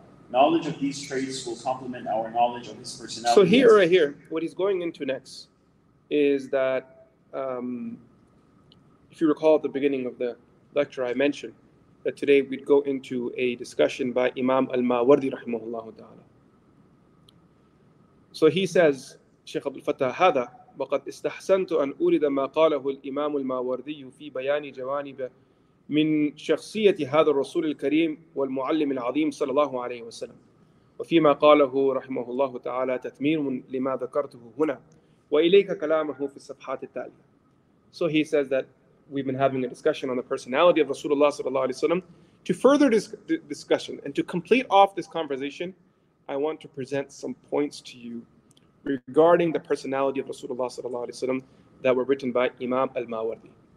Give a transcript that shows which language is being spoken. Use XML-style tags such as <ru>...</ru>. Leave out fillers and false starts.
<en>Knowledge of these traits will complement our knowledge of his personality. So here, right here, what he's going into next is that, if you recall at the beginning of the lecture, I mentioned that today we'd go into a discussion by Imam Al-Mawardi rahimahullah ta'ala. So he says, Sheikh Abdul Fattah,</en> <ar>هذا وقد استحسنت أن أورد ما قاله الإمام الماوردي في بيان جوانب من شخصية هذا الرسول الكريم والمعلم العظيم صلى الله عليه وسلم وفيما قاله رحمه الله تعالى تتميم لما ذكرته هنا وإليك كلامه في الصفحات التالية.</ar> <en>So he says that we've been having a discussion on the personality of Rasulullah</en> <ar>صلى الله عليه وسلم.</ar> <en>To further this discussion and to complete off this conversation, I want to present some points to you regarding the personality of Rasulullah sallallahu alaihi wasallam that were written by Imam Al-Mawardi.</en>